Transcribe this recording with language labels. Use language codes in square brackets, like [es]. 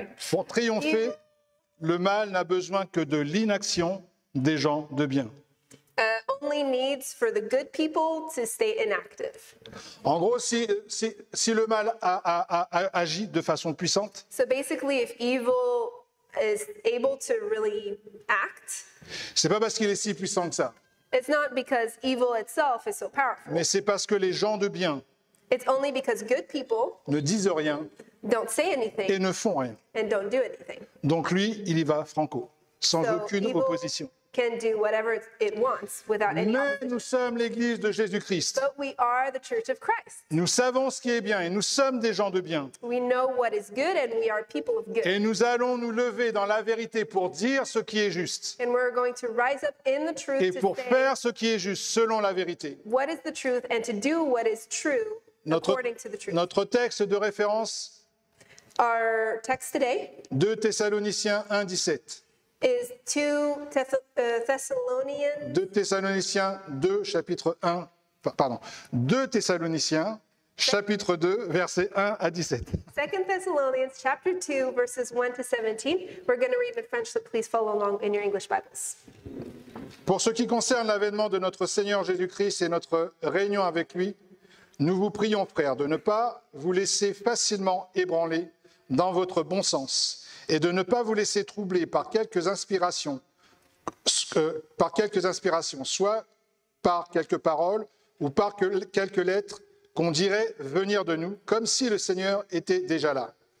[fr] Pour triompher, le mal n'a besoin que de l'inaction des gens de bien. [en] Only needs for the good people to stay inactive. [fr] En gros, si le mal agit de façon puissante. [en] So basically, if evil is able to really act. [fr] C'est pas parce qu'il est si puissant que ça. [en] It's not because evil itself is so powerful. [fr] Mais c'est parce que les gens de bien. [en] It's only because good people [fr] ne disent rien. [en] Don't say anything. [fr] Et ne font rien. [en] And don't do anything. [fr] Donc lui, il y va franco, sans aucune opposition. [en] Can do whatever it wants without any [fr] opposition. Mais nous sommes l'Église de Jésus-Christ. [en] But we are the Church of Christ. [fr] Nous savons ce qui est bien et nous sommes des gens de bien. [en] We know what is good and we are people of good. [fr] Et nous allons nous lever dans la vérité pour dire ce qui est juste. [en] And we're going to rise up in the truth. [fr] Et pour faire ce qui est juste selon la vérité. [en] What is the truth and to do what is true according to the truth. [fr] Notre texte de référence. [en] Our text today. [fr] 2 Thessaloniciens 1:17. [en] Is 2 Thessalonians. [fr] 2 Thessaloniciens 2, chapitre 1, pardon, 2 Thessaloniciens, chapitre 2, versets 1 à 17. [en] 2 Thessalonians, chapter 2, verses 1 to 17. We're going to read in French, so please follow along in your English Bibles. [fr] Pour ce qui concerne l'avènement de notre Seigneur Jésus-Christ et notre réunion avec lui, nous vous prions, frères, de ne pas vous laisser facilement ébranler dans votre bon sens. Et de ne pas vous laisser troubler par quelques inspirations, soit par quelques paroles ou par quelques lettres qu'on dirait venir de nous, comme si le Seigneur était déjà là.